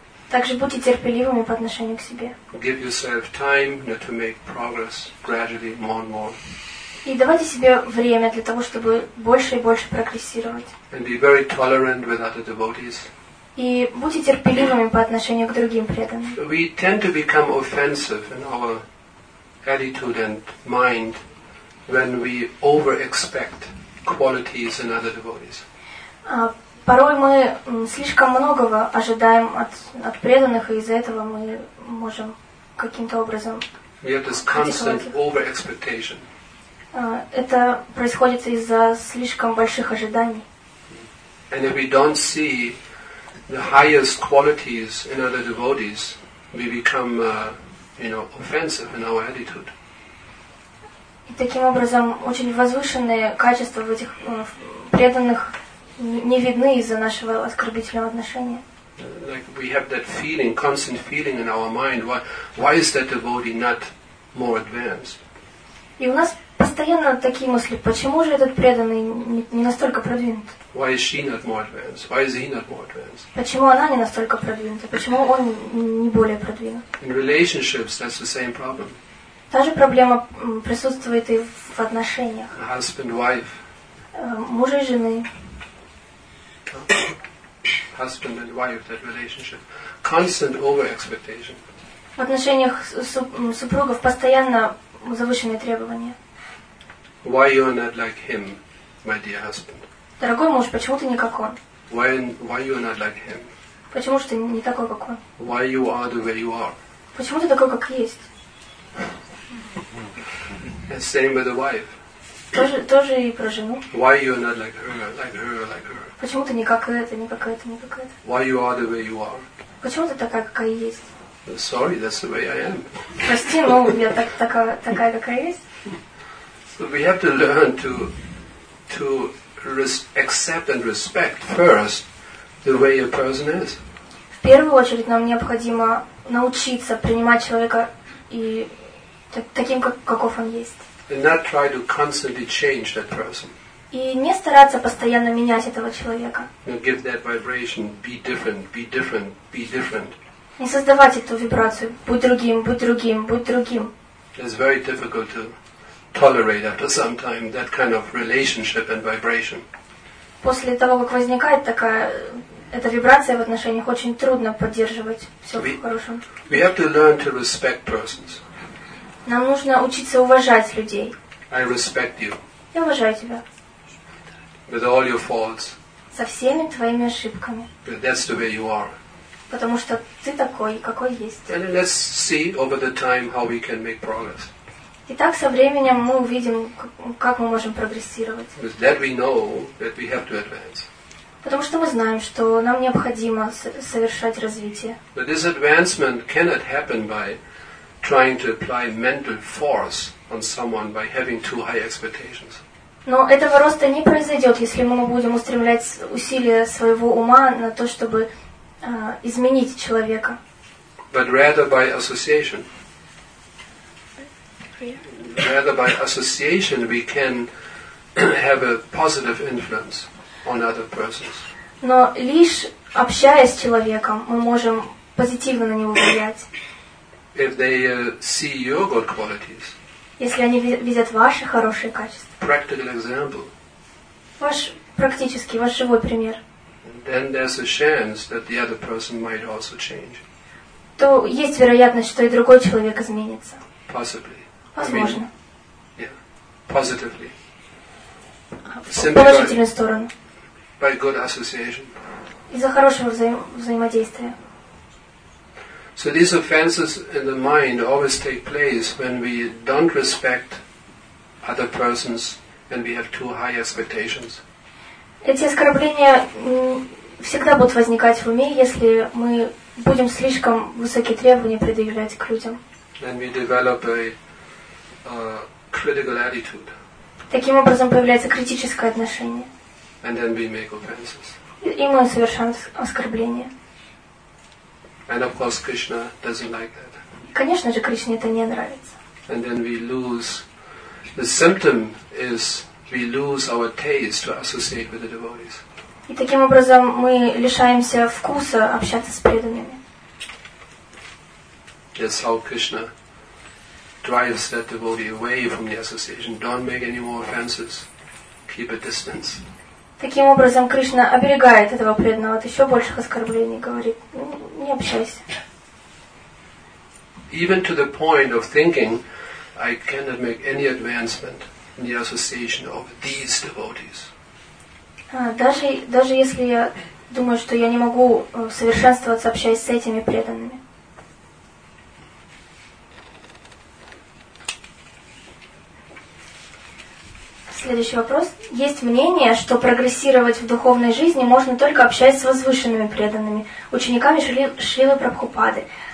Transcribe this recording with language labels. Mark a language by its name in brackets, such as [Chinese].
[Russian] Также будьте терпеливыми по отношению к себе. [English] Give yourself time, you know, to make progress gradually, more and more. [Russian] И давайте себе время для того, чтобы больше и больше прогрессировать. [English] And be very tolerant with other devotees. [Russian] И будьте терпеливыми по отношению к другим преданным. [English] We tend to become offensive in our attitude and mind when we overexpect qualities in other devotees. [Russian] Порой мы слишком многого ожидаем от преданных, и из-за этого мы можем каким-то образом. [English] We have this constant over-expectation. [Russian] Это происходит из-за слишком больших ожиданий. [English] And if we don't see the highest qualities in other devotees, we become, you know, offensive in our attitude. [Russian] И таким образом очень возвышенные качества в этих преданных не видны из-за нашего оскорбительного отношения. [English] Like we have that feeling, constant feeling in our mind. Why is that devotee not more advanced? [Russian] И у нас постоянно такие мысли: почему же этот преданный не настолько продвинут? [English] Why is she not more advanced? Why is he not more advanced? [Russian] Почему она не настолько продвинута? Почему он не более продвинут? [English] In relationships, that's the same problem. [Russian] Та же проблема присутствует и в отношениях. [English] Husband, wife. [Russian] Мужа и жены. [English] Husband and wife, that relationship. Constant over-expectation. [Russian] В отношениях супругов постоянно завышенные требования. [English] Why you are not like him, my dear husband? [Russian] Дорогой муж, почему ты не как он? [English] Why you are not like him? [Russian] Почему же ты не такой, как он? [English] Why you are the way you are? [Russian] Почему ты такой, как есть? [English] And same with the wife. [Russian] Тоже и про жену. [English] Why you are not like her? [Russian] Почему ты не как это, не как это, не как это? [English] Why you are the way you are? [Russian] Почему ты такая, какая есть? [English] Sorry, that's the way I am. [Russian] Прости, но я такая, какая есть. [English] So we have to learn to accept and respect first the way a person is. [Russian] В первую очередь нам необходимо научиться принимать человека и таким, каков он есть. [English] And not try to constantly change that person. [Russian] И не стараться постоянно менять этого человека. [English] Give that vibration, be different, be different, be different. [Russian] Не создавать эту вибрацию, будь другим, будь другим, будь другим. [English] It's very difficult to tolerate after some time that kind of relationship and vibration. [Russian] После того, как возникает такая эта вибрация в отношениях, очень трудно поддерживать все в хорошем. [English] We have to learn to respect persons. [Russian] Нам нужно учиться уважать людей. [English] I respect you. [Russian] Я уважаю тебя. [English] With all your faults. [Russian] Со всеми твоими ошибками. [English] That's the way you are. [Russian] Потому что ты такой, какой есть. [English] And let's see over the time how we can make progress. [Russian] Итак, со временем мы увидим, как мы можем прогрессировать. [English] With that we know that we have to advance. [Russian] Потому что мы знаем, что нам необходимо совершать развитие. [English] But this advancement cannot happen by trying to apply mental force on someone by having too high expectations. [Russian] Но этого роста не произойдет, если мы будем устремлять усилия своего ума на то, чтобы изменить человека. [English] But rather by association. Rather by association we can have a positive influence on other persons. [Russian] Но лишь общаясь с человеком, мы можем позитивно на него влиять. [English] If they see your good qualities. [Russian] Если они видят ваши хорошие качества. [English] Practical example. [Russian] Ваш практический, ваш живой пример. [English] Then there's a chance that the other person might also change. [Russian] То есть вероятность, что и другой человек изменится. [English] Possibly. [Russian] Возможно. [English] Positively. [Russian] Simply положительную сторону. [English] By good association. [Russian] Из-за хорошего взаимодействия. [English] So these offenses in the mind always take place when we don't respect other persons and we have too high expectations. [Russian] Эти оскорбления всегда будут возникать в уме, если мы будем слишком высокие требования предъявлять к людям. [English] Then we develop a critical attitude. [Russian] Таким образом появляется критическое отношение. [English] And then we make offenses. [Russian] И мы совершаем оскорбления. [English] And of course Krishna doesn't like that. [Russian] Конечно же, Кришне это не нравится. [English] And then we lose. The symptom is we lose our taste to associate with the devotees. [Russian] И таким образом мы лишаемся вкуса общаться с преданными. [English] That's how Krishna drives that devotee away from the association. Don't make any more offenses. Keep a distance. [Russian] Таким образом, Кришна оберегает этого преданного от еще больших оскорблений, говорит, ну, не общайся. [English] Even to the point of thinking, I cannot make any advancement in the association of these devotees. [Russian] Даже если я думаю, что я не могу совершенствоваться, общаясь с этими преданными. Следующий вопрос. Есть мнение, что прогрессировать в духовной жизни можно только общаясь с возвышенными преданными, учениками Шрилы Прабхупады.